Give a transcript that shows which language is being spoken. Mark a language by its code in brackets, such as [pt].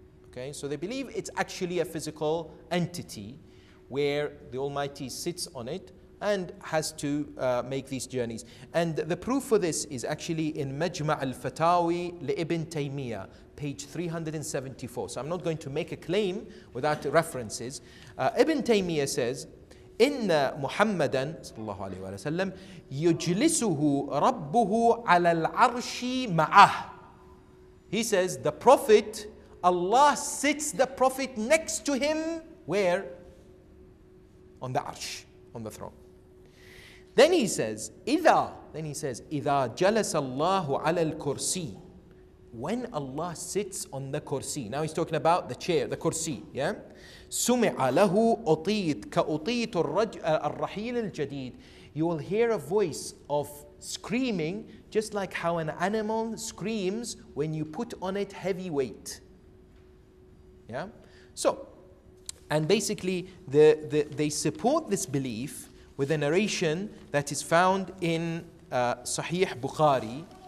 [en] Okay, so they believe it's actually a physical entity where the Almighty sits on it and has to make these journeys. And the proof for this is actually in Majma' al-Fatawi li-Ibn Taymiyyah, page 374. So I'm not going to make a claim without references. Ibn Taymiyyah says, [ar] إِنَّ مُحَمَّدًا صلى الله عليه وسلم يُجْلِسُهُ رَبُّهُ عَلَى الْعَرْشِ مَعَهُ. [en] He says, the Prophet, Allah sits the Prophet next to him, where? On the arsh, on the throne. Then he says, [ar] إِذَا جَلَسَ اللَّهُ عَلَى الْكُرْسِي. [en] When Allah sits on the kursi. Now he's talking about the chair, the kursi, yeah? [ar] سُمِعَ لَهُ أُطِيتْ كَأُطِيتُ الرَّحِيلِ الْجَدِيدِ. [en] You will hear a voice of screaming, just like how an animal screams when you put on it heavy weight. Yeah? So, and basically, they support this belief with a narration that is found in Sahih Bukhari.